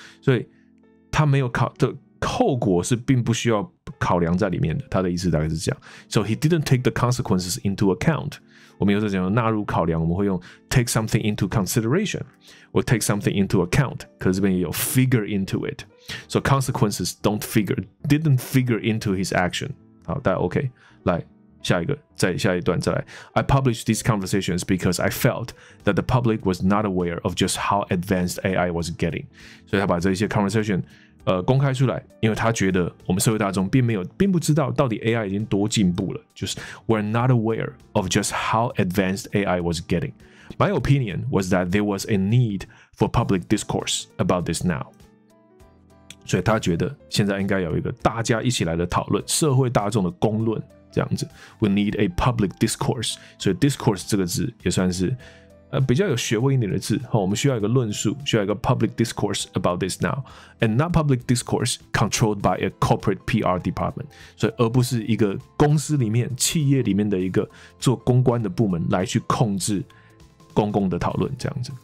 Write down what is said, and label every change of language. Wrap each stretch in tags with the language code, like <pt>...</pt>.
<zh>所以他没有考的后果是并不需要考量在里面的，他的意思大概是这样。</zh> <en>So he didn't take the consequences into account.</en> <zh>我们有时候讲纳入考量，我们会用</zh> <en>take something into consideration，</en> <zh>或</zh> <en>take something into account。</en> <zh>可是这边也有</zh> <en>figure into it。So consequences didn't figure into his action。</en> <zh>好，大家 OK， 来下一个，再下一段再来。</zh> <en>I published these conversations because I felt that the public was not aware of just how advanced AI was getting。</en> <zh>所以他把这些 conversation。公开出来，因为他觉得我们社会大众并不知道到底 AI 已经多进步了。就是</zh> <en>we're not aware of just how advanced AI was getting. My opinion was that there was a need for public discourse about this now.</en> <zh>所以他觉得现在应该有一个大家一起来的讨论，社会大众的公论这样子。</zh> <en>We need a public discourse.</en> <zh>所以 discourse 这个字也算是比较有学问一点的字，我们需要一个论述，需要一个</zh> <en>public discourse about this now， and not public discourse controlled by a corporate PR department，</en> <zh>所以而不是一个公司里面、企业里面的一个做公关的部门来去控制公共的讨论这样子。</zh>